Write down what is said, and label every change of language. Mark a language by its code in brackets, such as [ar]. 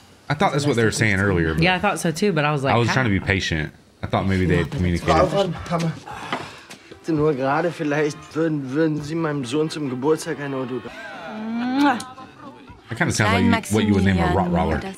[en] I thought that's what they were saying earlier. Yeah, I thought so too, but I was like, I was trying to be patient. I thought maybe they communicated. [de] Nur gerade, vielleicht würden Sie meinem Sohn zum Geburtstag ein Autogramm. [en] That kind of sounds like what you would name a Rottweiler.